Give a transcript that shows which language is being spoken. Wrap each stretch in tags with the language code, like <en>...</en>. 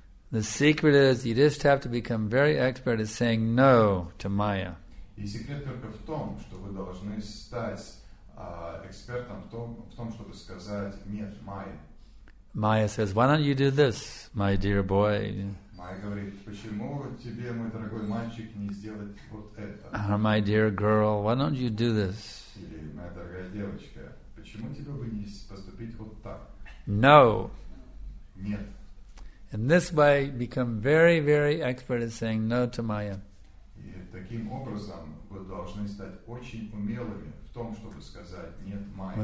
<en>The secret is you just have to become very expert at saying no to Maya.</en> <ru>И секрет только в том, что вы должны стать экспертом в том, чтобы сказать «нет, Майя».</ru> <en>Майя says, why don't you do this, my dear boy?</en> <ru>Майя говорит, почему тебе, мой дорогой мальчик, не сделать вот это?</ru> <en>Or, my dear girl, why don't you do this?</en> <ru>Или, моя дорогая девочка, почему тебе бы не поступить вот так?</ru> <en>No.</en> <ru>Нет.</ru> <en>And this way, become very, very expert at saying no to Майя.</en> <ru>И таким образом, вы должны стать очень умелыми в том, чтобы сказать нет Майя.</ru>